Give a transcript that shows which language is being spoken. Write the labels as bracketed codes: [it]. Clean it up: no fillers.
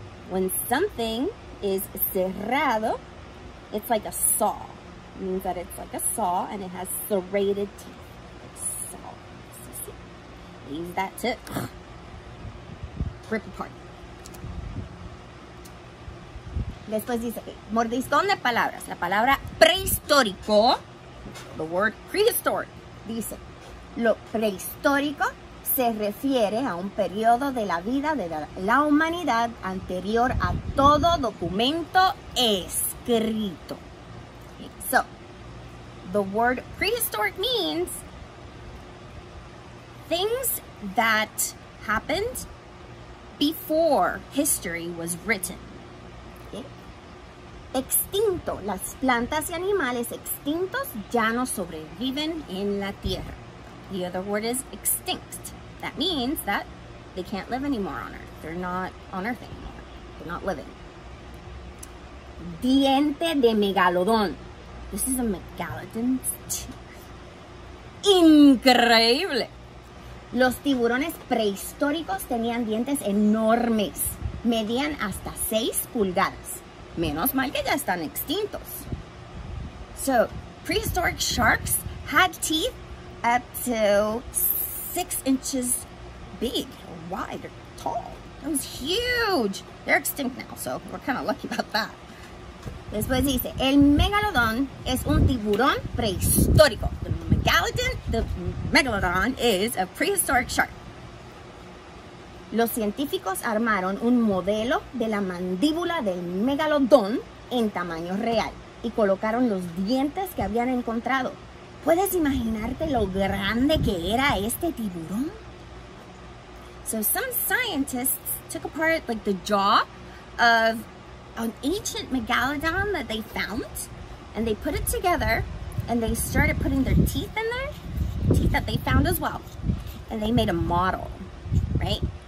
[en] When something is cerrado, it's like a saw. It means that it's like a saw and it has serrated teeth. It's saw. Use that to rip apart. [es] Después dice, mordiscón de palabras. La palabra prehistórico, [en] the word prehistoric, [es] dice, lo prehistórico se refiere a un periodo de la vida de la humanidad anterior a todo documento escrito. [en] Okay, so, the word prehistoric means things that happened before history was written. [es] Okay. Extinto. Las plantas y animales extintos ya no sobreviven en la tierra. [en] The other word is extinct. That means that they can't live anymore on Earth. They're not on Earth anymore. They're not living. [es] Diente de megalodón. [en] This is a megalodon's tooth. [es] Increíble. Los tiburones prehistóricos tenían dientes enormes. Medían hasta 6 pulgadas. Menos mal que ya están extintos. [en] So, prehistoric sharks had teeth up to 6 inches big, or wide, or tall. That was huge. They're extinct now, so we're kind of lucky about that. [es] Después dice, el megalodón es un tiburón prehistórico. [en] The megalodon is a prehistoric shark. [es] Los científicos armaron un modelo de la mandíbula del megalodón en tamaño real y colocaron los dientes que habían encontrado. ¿Puedes imaginarte lo grande que era este tiburón? [en] So some scientists took apart like the jaw of an ancient megalodon that they found and they put it together. And they started putting their teeth in there, teeth that they found as well. And they made a model, right?